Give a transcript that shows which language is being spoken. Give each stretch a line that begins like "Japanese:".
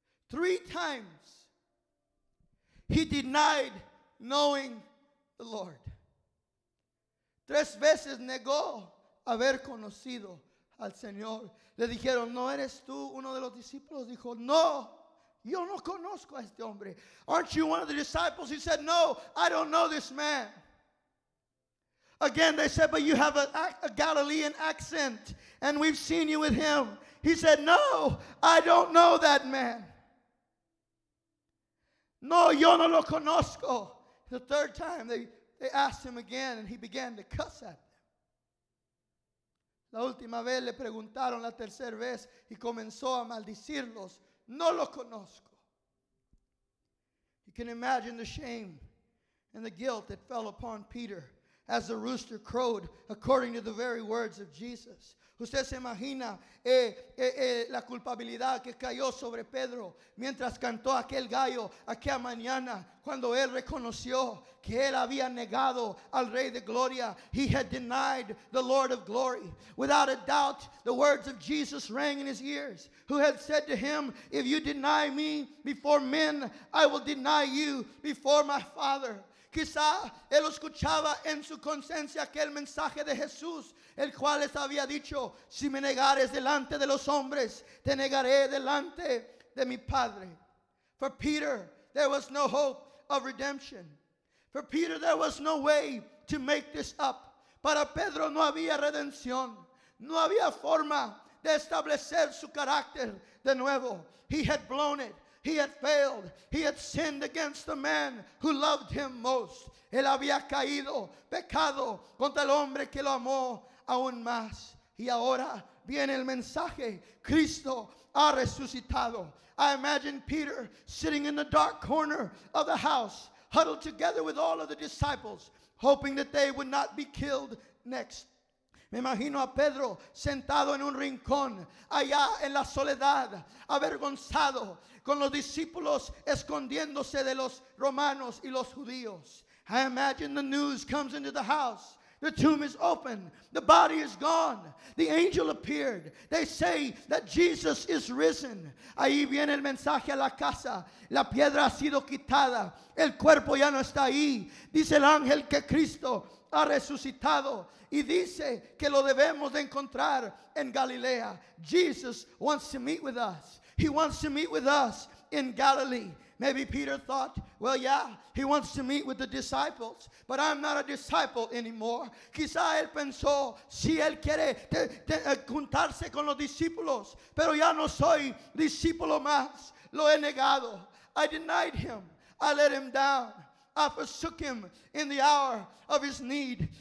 English: Three times he denied knowing the Lord.
Spanish: Tres veces negó haber conocido al Señor. Le dijeron, ¿no eres tú uno de los discípulos? Dijo, no. Yo no conozco a este hombre.
English: Aren't you one of the disciples? He said, no, I don't know this man. Again, they said, but you have a Galilean accent, and we've seen you with him. He said, no, I don't know that man.
Spanish: No, yo no lo conozco.
English: The third time, they asked him again, and he began to cuss at them.
Spanish: La última vez le preguntaron, la tercera vez, y comenzó a maldecirlos. No lo conozco.
English: You can imagine the shame and the guilt that fell upon Peter as the rooster crowed according to the very words of Jesus.
Spanish: Usted se imagina la culpabilidad que cayó sobre Pedro mientras cantó aquel gallo aquella mañana cuando él reconoció que él había negado al Rey de Gloria.
English: He had denied the Lord of Glory. Without a doubt, the words of Jesus rang in his ears, who had said to him, if you deny me before men, I will deny you before my Father.
Spanish: Quizá él escuchaba en su conciencia aquel mensaje de Jesús, el cual les había dicho, si me negares delante de los hombres, te negaré delante de mi Padre.
English: For Peter, there was no hope of redemption. For Peter, there was no way to make this up.
Spanish: Para Pedro no había redención. No había forma de establecer su carácter de nuevo.
English: He had blown it. He had failed. He had sinned against the man who loved him most.
Spanish: Él había caído, pecado, contra el hombre que lo amó aún más. Y ahora viene el mensaje. Cristo ha resucitado.
English: I imagine Peter sitting in the dark corner of the house, huddled together with all of the disciples, hoping that they would not be killed next.
Spanish: Me imagino a Pedro sentado en un rincón, allá en la soledad, avergonzado, con los discípulos escondiéndose de los romanos y los judíos.
English: I imagine the news comes into the house. The tomb is open. The body is gone. The angel appeared. They say that Jesus is risen.
Spanish: Ahí viene el mensaje a la casa. La piedra ha sido quitada. El cuerpo ya no está ahí. Dice el ángel que Cristo ha resucitado. Y dice que lo debemos de encontrar en Galilea.
English: Jesus wants to meet with us. He wants to meet with us in Galilee. Maybe Peter thought, well, yeah, he wants to meet with the disciples, but I'm not a disciple anymore.
Spanish: Quizá él pensó, si él quiere juntarse con los discípulos, pero ya no soy discípulo más.
English: Lo he negado. I denied him. I let him down. I forsook him in the hour of his need.